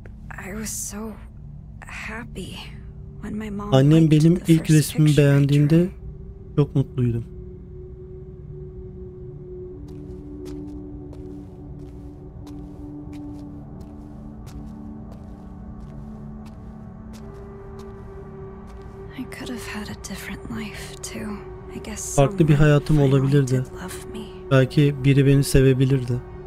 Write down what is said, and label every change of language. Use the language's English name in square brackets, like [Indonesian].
[English] I was so happy when my mom [Turkish] Annem benim ilk resmimi beğendiğinde çok mutluydum. [English] I could have had a different life too. I guess [Turkish] farklı bir hayatım olabilirdi. Belki biri beni sevebilirdi.